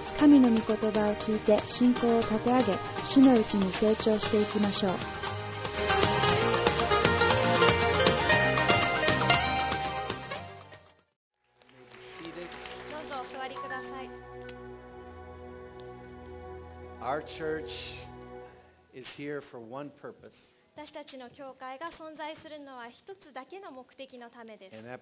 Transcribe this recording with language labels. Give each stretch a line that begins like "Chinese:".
Japanese: 神の御言葉を聞いて信仰を立て上げ、主のうちに成長していきましょう。どうぞお座りください。
English: Our church is here for one purpose.
Japanese: 私たちの教会が存在するのは一つだけの目的のためです。